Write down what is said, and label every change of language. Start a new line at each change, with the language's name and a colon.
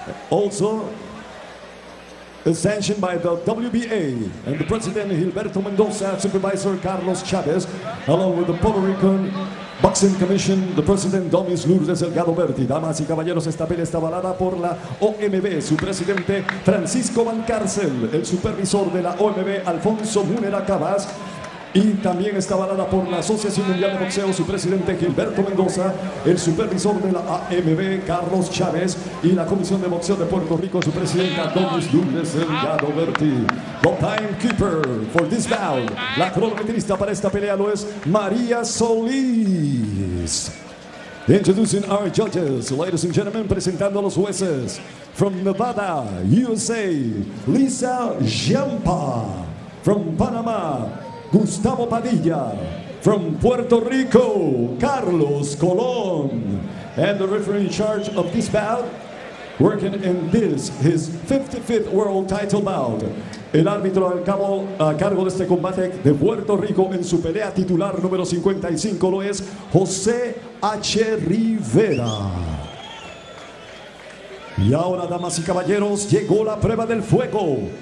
English: Also, is sanctioned by the WBA and the President Gilberto Mendoza, Supervisor Carlos Chavez, along with the Puerto Rican Boxing Commission, the President Domis Lourdes Delgado Berti.
Spanish: Damas y caballeros, esta pelea está avalada por la OMB, su presidente Francisco Valcárcel, el supervisor de la OMB, Alfonso Munera Cabas, y también está avalada por la Asociación Mundial de Boxeo, su presidente Gilberto Mendoza, el supervisor de la AMB, Carlos Chávez, y la Comisión de Boxeo de Puerto Rico, su presidenta, Domis Lourdes Delgado Berti.
English: The timekeeper for this bout.
Spanish: La cronometrista para esta pelea lo es María Solís.
English: Introducing our judges, ladies and gentlemen,
Spanish: presentando a los jueces.
English: From Nevada, USA, Lisa Jampa. From Panama, Gustavo Padilla. From Puerto Rico, Carlos Colón. And the referee in charge of this bout, working in this, his 55th world title bout,
Spanish: el árbitro al cabo a cargo de este combate de Puerto Rico en su pelea titular número 55 lo es José H. Rivera. Y ahora, damas y caballeros, llegó la prueba del fuego.